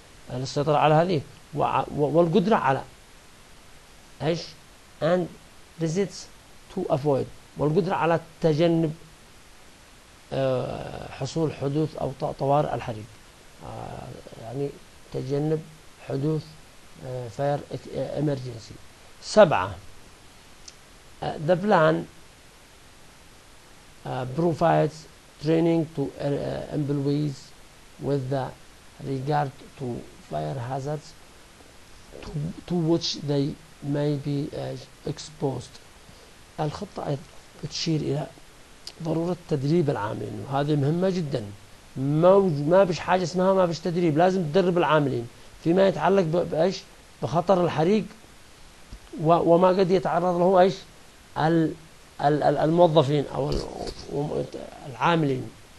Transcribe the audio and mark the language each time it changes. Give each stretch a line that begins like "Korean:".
Arabic: السيطرة على هذه والقدرة على ايش اند ريزيتس تو افويد، والقدرة على تجنب حصول حدوث أو طوارئ الحريق، يعني تجنب حدوث فاير إمرجنسي.
English: سبعة، the plan provides training to employees with the regard to fire hazards to which they may be exposed.
Arabic: الخطة أيضا تشير إلى ضرورة تدريب العاملين، وهذه مهمة جدا. ما فيش حاجة اسمها ما فيش تدريب، لازم تدرب العاملين فيما يتعلق بإيش بخطر الحريق وما قد يتعرض له إيش الموظفين أو العاملين.